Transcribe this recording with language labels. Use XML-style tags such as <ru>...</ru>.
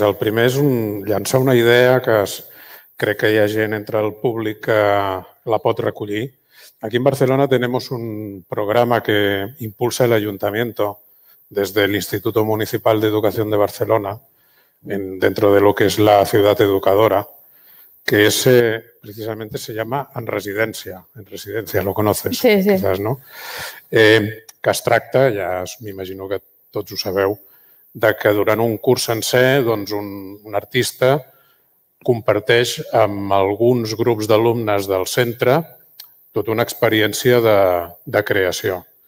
<ca>El primer és llançar una idea que crec que hi ha gent entre el públic que la pot recollir.</ca> <es>Aquí en Barcelona tenemos un programa que impulsa el Ayuntamiento desde el Instituto Municipal de Educación de Barcelona, dentro de lo que es la ciudad educadora, que ese precisamente se llama En Residencia. En Residencia, lo conoces, sí, sí. Quizás, ¿no?</es> <ca>Que es tracta, ja m'imagino que tots ho sabeu, de que durant un curs sencer doncs un artista comparteix amb alguns grups d'alumnes del centre tota una experiència de creació.</ca>